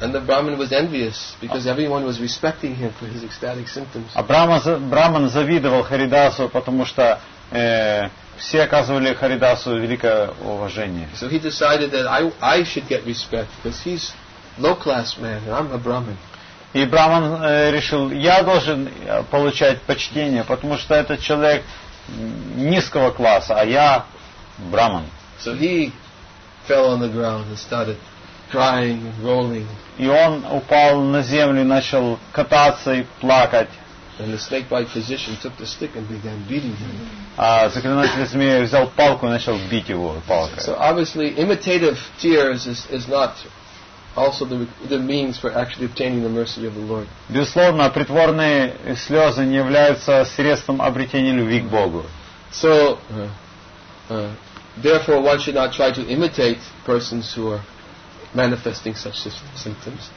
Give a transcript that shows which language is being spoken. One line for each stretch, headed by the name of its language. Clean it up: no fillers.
English: And the Brahmin was envious because everyone was respecting him for his ecstatic symptoms.
Russian: А Браман завидовал Харидасу, потому что все оказывали Харидасу великое уважение.
English: So he decided that I should get respect because he's low class man and I'm a Brahmin.
Russian: И Браман решил, я должен получать почтение, потому что этот человек низкого класса, а я Браман.
English: So he fell on the ground and started crying and rolling.
Russian: И он упал на землю, начал кататься и плакать.
English: And the snake-like physician took the stick and began beating him.
Russian: А заклинатель змеи взял палку и начал бить его палкой.
English: So obviously, imitative tears is not also the means for actually obtaining the mercy of the Lord.
Russian: Безусловно, притворные слезы не являются средством обретения любви к Богу.
English: So, therefore, one should not try to imitate persons who are manifesting such symptoms.